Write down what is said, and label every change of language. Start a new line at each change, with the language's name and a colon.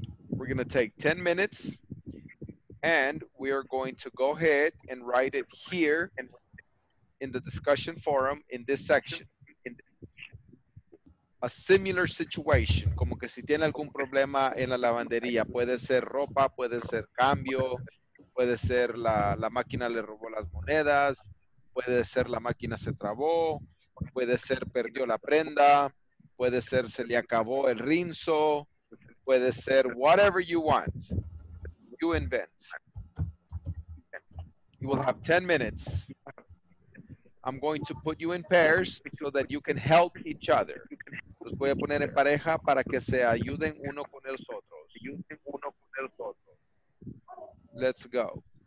English: We're going to take 10 minutes and we are going to go ahead and write it here in the discussion forum in this section. A similar situation,
Spanish: como que si tiene algún problema en la lavandería, puede ser ropa, puede ser cambio, puede ser la máquina le robó las monedas, puede ser la máquina se trabó. Puede ser perdió la prenda, puede ser se le acabó el rinzo, puede ser
English: whatever you want, you invent. You will have 10 minutes. I'm going to put you in pairs so that you can help each other.
Spanish: Los voy a poner en pareja para que se ayuden uno con los otros.
English: Let's go.